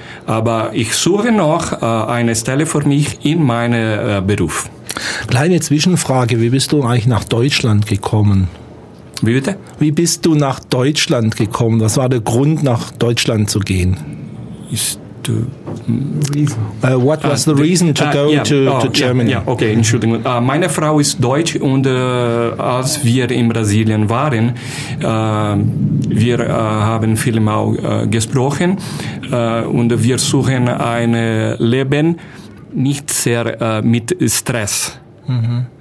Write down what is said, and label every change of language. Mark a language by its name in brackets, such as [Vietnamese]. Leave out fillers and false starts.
[German] Aber ich suche noch eine Stelle für mich in meinem Beruf. Kleine Zwischenfrage, wie bist du eigentlich nach Deutschland gekommen? Wie bitte? Wie bist du nach Deutschland gekommen? Was war der Grund, nach Deutschland zu gehen? [English] What was the reason to go to Germany? Yeah, okay, [German] Entschuldigung. Meine Frau ist Deutsch und als wir in Brasilien waren, wir haben viel mal gesprochen und wir suchen ein Leben nicht sehr mit Stress. Mhm.